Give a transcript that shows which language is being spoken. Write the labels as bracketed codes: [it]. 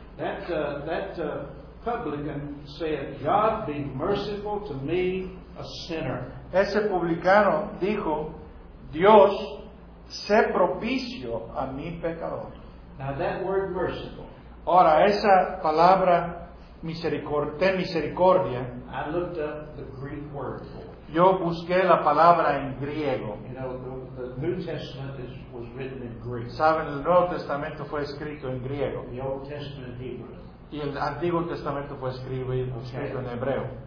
[en] That publican said, "God be merciful to me, a sinner." [es] Ese publicano dijo, "Dios, sé propicio a mi pecador." [en] Now that word merciful. [es] Ahora esa palabra misericordia. [en] I looked up the Greek word. [es] Yo busqué la palabra en griego. [en] You know, the New Testament was written in Greek. [es] Saben, el Nuevo Testamento fue escrito en griego. [en] The Old Testament in Hebrew. [es] Y el Antiguo Testamento fue escrito en hebreo.